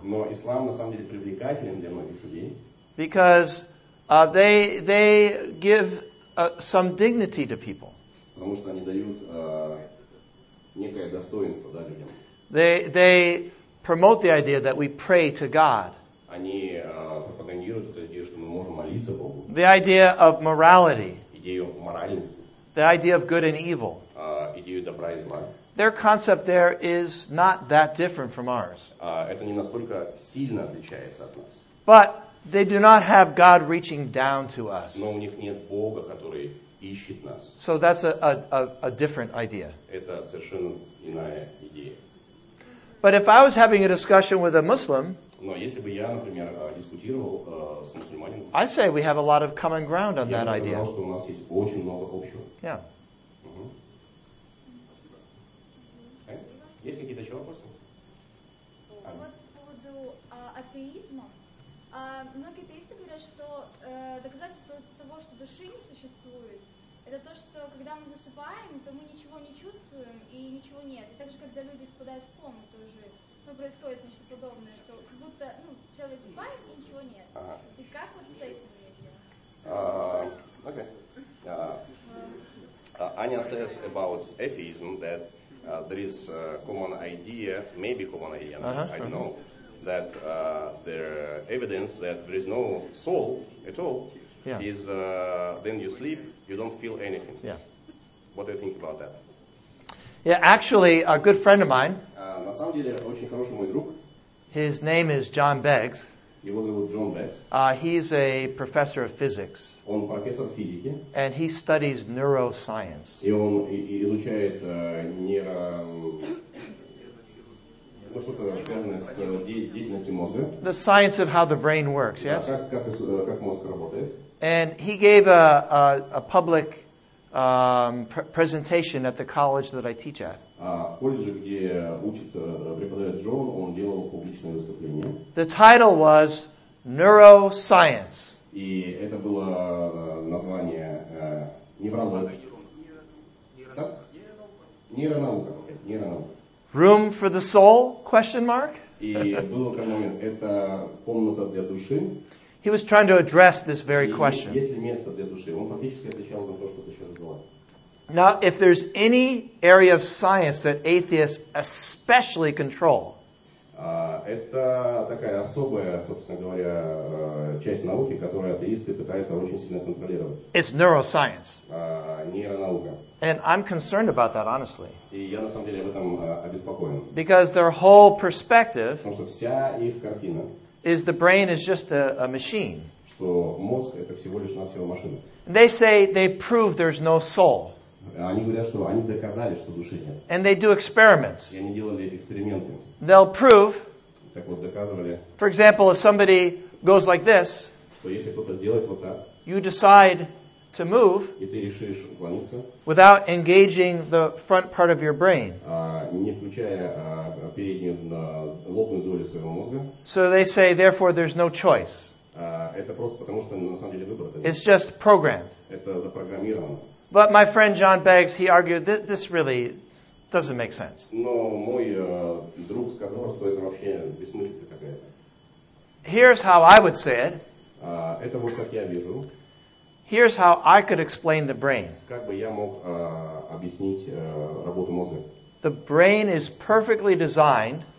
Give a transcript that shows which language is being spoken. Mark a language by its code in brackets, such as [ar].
[ru] Но ислам на самом деле привлекателен для многих людей. [en] Because they give some dignity to people. [ru] Потому что они дают некое достоинство, да, людям. [en] They promote the idea that we pray to God. [ru] Они пропагандируют эту идею, что мы можем молиться Богу. [en] The idea of morality. [ru] Идею моральности. [en] The idea of good and evil. [ru] Идею добра и зла. [en] Their concept there is not that different from ours. [ru] Это не настолько сильно отличается от нас. [en] But they do not have God reaching down to us. [ru] Но у них нет Бога, который ищет нас. [en] So that's a different idea. [ru] Это совершенно иная идея. [en] But if I was having a discussion with a Muslim, [ru] но если бы я, например, дискутировал с мусульманином, [en] I say we have a lot of common ground on that idea. [ru] Я бы сказал, что у нас есть очень много общего. [en] Yeah. Okay. [ru] Есть какие-то еще вопросы? Вот по поводу атеизма. Многие атеисты говорят, что доказательство того, что души не существует, это то, что когда мы засыпаем, то мы ничего не чувствуем и ничего нет. И также, когда люди впадают в кому, тоже происходит нечто подобное, что как будто человек спит и ничего нет. Ага. И как вот с этим мне делать? Окей. [en] Аня says about atheism that there is a common idea, maybe common idea, I don't know, that there evidence that there is no soul at all. Yeah. Is then you sleep, you don't feel anything. Yeah. What do you think about that? Yeah, actually, a good friend of mine. [ru] На самом деле, очень хороший мой друг. [en] His name is John Beggs. [ru] Его зовут Джон Бэкс. [en] He's a professor of physics. [ru] Он профессор физики. [en] And he studies neuroscience. [ru] И он изучает деятельностью мозга. [en] The science of how the brain works, yes? [ru] Как мозг работает. [en] And he gave a public presentation at the college that I teach at. [ru] В колледже, где учит, преподает Джон, он делал публичное выступление. [en] The title was Neuroscience. [ru] И это было название нейронаука. [en] Room for the soul? Question mark. [ru] И был такой момент, это комната для души. [en] He was trying to address this very question. [ru] Есть ли место для души? Он фактически отвечал на то, что ты сейчас задала. [en] Now, if there's any area of science that atheists especially control, [ru] это такая особая, собственно говоря, часть науки, которую атеисты пытаются очень сильно контролировать. [en] It's neuroscience. [ru] Нейронаука. [en] And I'm concerned about that, honestly. [ru] И я на самом деле об этом обеспокоен. [en] Because their whole perspective, [ru] потому что вся их картина, [en] is the brain is just a machine. [ru] Что мозг это всего лишь навсего машина. [en] They say they prove there's no soul. [ru] Они говорят, что они доказали, что души нет. [en] And they do experiments. [ru] И они делали эксперименты. [en] They'll prove. [ru] Так вот, доказывали. [en] For example, if somebody goes like this, [ru] то если кто-то сделает вот так, [en] you decide to move, [ru] и ты решишь уклониться, [en] without engaging the front part of your brain. [ru] Не включая переднюю лобную долю своего мозга. [en] So they say, therefore, there's no choice. [ru] Это просто потому, что на самом деле выбор. [en] It's just programmed. [ru] Это запрограммировано. [en] But my friend John Beggs, he argued that this really doesn't make sense. [ru] Но мой друг сказал, что это вообще бессмыслица какая-то. [en] Here's how I would say it. [ru] Это вот как я вижу. [en] Here's how I could explain the brain. [ru] Как бы я мог объяснить работу мозга? [en] The brain is perfectly designed.